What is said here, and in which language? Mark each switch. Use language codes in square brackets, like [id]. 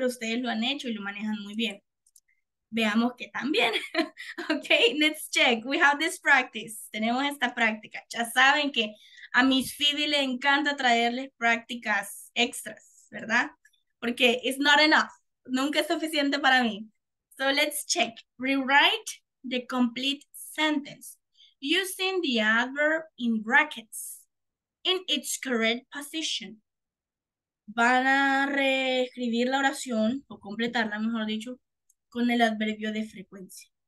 [es] Pero ustedes lo han hecho y lo manejan muy bien. Veamos que también. [en] Okay, let's check. We have this practice. [es] Tenemos esta práctica. Ya saben que a Miss Phoebe le encanta traerles prácticas extras, ¿verdad? Porque [en] it's not enough. [es] Nunca es suficiente para mí. [en] So let's check. Rewrite the complete sentence using the adverb in brackets in its correct position. [es] van a reescribir la oración, o completarla, mejor dicho, con el adverbio de frecuencia.